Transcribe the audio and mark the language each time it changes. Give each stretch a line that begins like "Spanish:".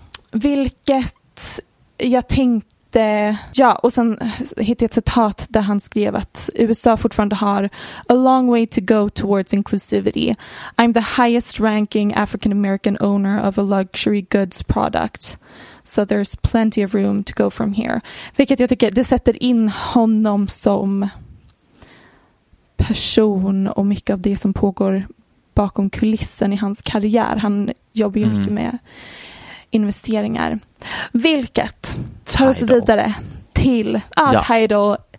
Swedish: Vilket jag tänker att, ja, och sen hittade jag ett citat där han skrev att USA fortfarande har
English: a long way to go towards inclusivity. I'm the highest ranking African American owner of a luxury goods product. So there's plenty of room to go from here.
Swedish: Vilket jag tycker, det sätter in honom som person och mycket av det som pågår bakom kulissen i hans karriär. Han jobbar ju mycket med investeringar. Vilket tar oss vidare till Tidal.